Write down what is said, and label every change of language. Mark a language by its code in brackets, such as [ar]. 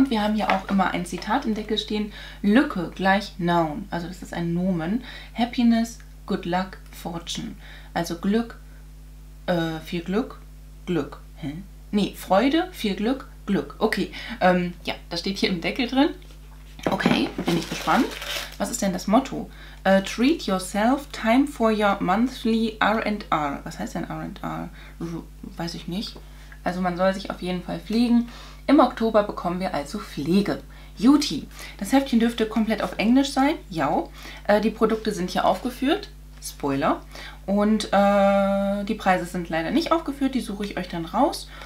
[de] Und wir haben hier auch immer ein Zitat im Deckel stehen. Lücke gleich Noun. Also das ist ein Nomen. [en] Happiness, good luck, fortune. [de] Also Glück, viel Glück, Glück. Hä? Nee, Freude, viel Glück, Glück. Okay, das steht hier im Deckel drin. Okay, bin ich gespannt. Was ist denn das Motto? [en] Treat yourself, time for your monthly R&R. [de] Was heißt denn R&R? Weiß ich nicht. Also man soll sich auf jeden Fall pflegen. Im Oktober bekommen wir also Pflege. Beauty. Das Heftchen dürfte komplett auf Englisch sein. Ja. Die Produkte sind hier aufgeführt. Spoiler. Und die Preise sind leider nicht aufgeführt, die suche ich euch dann raus.